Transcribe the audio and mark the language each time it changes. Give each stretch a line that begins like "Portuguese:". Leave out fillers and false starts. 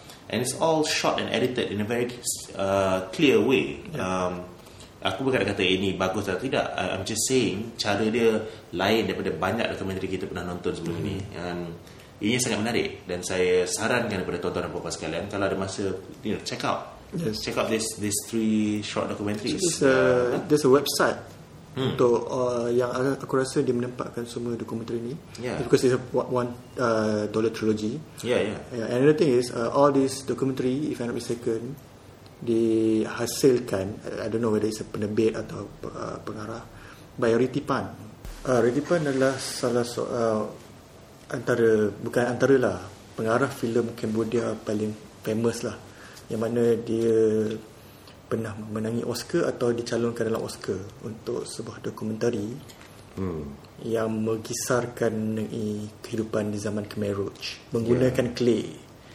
English: And it's all shot and edited in a very clear way.
Malay: aku bukan kata ini bagus atau tidak.
English: I'm just saying
Malay: cara dia lain daripada banyak dokumentari kita pernah nonton sebelum ini. Dan ini sangat menarik, dan saya sarankan kepada tuan-tuan dan puan-puan sekalian, kalau ada masa,
English: you know, check out. Yes. Check out this three short documentaries. So there's a website
Malay: untuk yang aku rasa dia menempatkan semua dokumentari ni.
English: Yeah. Because it's a $1 trilogy. Yeah. And another thing is all these documentary, if I'm not mistaken,
Malay: dihasilkan,
English: I don't know whether it's a
Malay: penerbit atau pengarah,
English: by Riti Pan.
Malay: Riti Pan adalah salah antara, bukan antara lah, pengarah filem Cambodia paling famous lah, yang mana dia pernah menangi Oscar atau dicalonkan dalam Oscar untuk sebuah dokumentari yang mengisarkan mengenai kehidupan di zaman Khmer Rouge menggunakan clay.